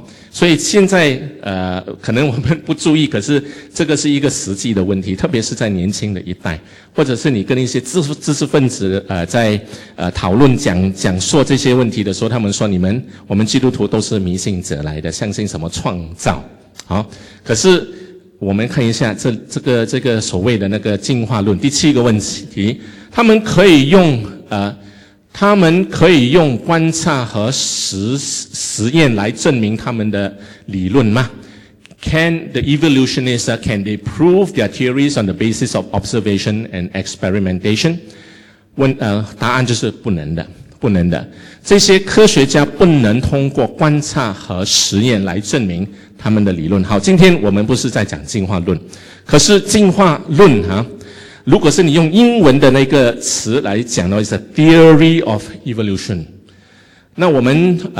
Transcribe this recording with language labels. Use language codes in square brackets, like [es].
[zh] 所以现在可能我们不注意，可是这个是一个实际的问题，特别是在年轻的一代，或者是你跟一些知识分子在讨论讲述这些问题的时候，他们说我们基督徒都是迷信者来的，相信什么创造。可是我们看一下这个所谓的那个进化论第七个问题，他们可以用观察和实验来证明他们的理论吗？ [en] Can the evolutionists, can they prove their theories on the basis of observation and experimentation? [zh] 答案就是不能的。这些科学家不能通过观察和实验来证明他们的理论。好，今天我们不是在讲进化论。可是进化论啊，如果是你用英文的那个词来讲的话，是 theory of evolution。那我们